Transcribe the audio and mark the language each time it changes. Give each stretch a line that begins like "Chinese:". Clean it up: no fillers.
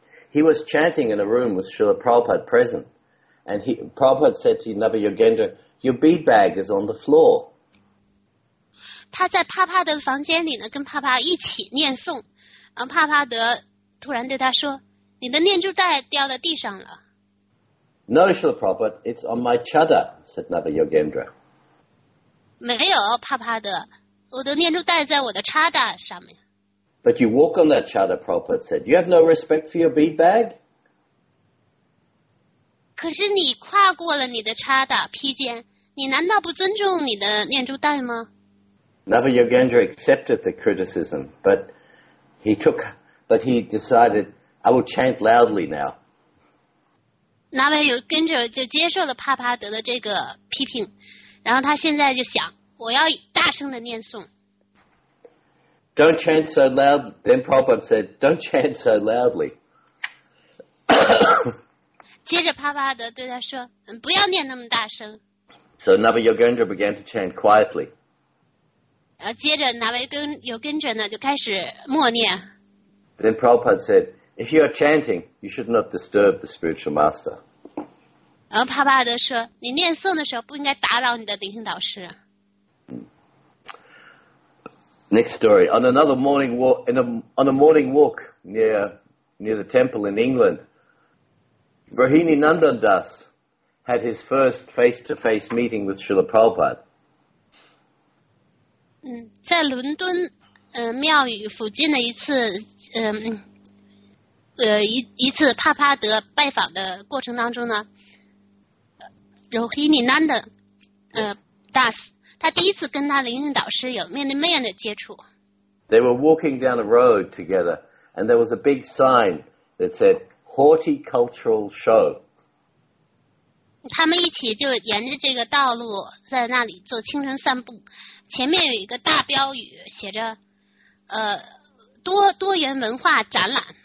English: He was chanting in a room with Srila Prabhupada present. And Prabhupada said to Navayogendra, "Your bead bag is on the floor."
Chinese: 他在帕帕的房间里呢，跟帕帕一起念诵。然后帕帕德突然对他说，你的念珠袋掉到地上了。
English: No, Srila Prabhupada, it's on my chadar, said Navayogendra.
Chinese: 没有，帕帕德，我的念珠袋在我的 chadar 上面。
English: But you walk on that chadar, Prabhupada said. You have no respect for your bead bag?
Chinese: 可是你跨过了你的叉打披肩，你难道不尊重你的念珠袋吗
English: ？Navayogendra accepted the criticism, but he decided I will chant loudly now.
Chinese: Navayogendra 就接受了帕帕德的这个批评，然后他现在就想，我要大声的念诵。
English: Don't chant so loud. Then Prabhupada said, "Don't chant so loudly."
Chinese: 接着帕帕德对他说，不要念那么大声。
English: So Navayogendra began to chant quietly.
Chinese: 然后接着 Navayogendra 呢就开始默念。
English: Then Prabhupada said, if you are chanting, you should not disturb the spiritual master.
Chinese: 然后帕帕德说，你念诵的时候不应该打扰你的灵性导师。
English: Next story. On another morning walk, near the temple in England,Rohini Nandan Das had his first face-to-face meeting with Srila Prabhupada.
Chinese: 在伦敦，庙宇附近的一次帕帕德拜访的过程当中呢 ，Rohini Nandan Das 他第一次跟他灵性导师有面对面的接触。
English: They were walking down a road together, and there was a big sign that said. Horticultural show.
Chinese: 他们一起就沿着这个道路在那里做清晨散步，前面有一个大标语写着，多元文化展览。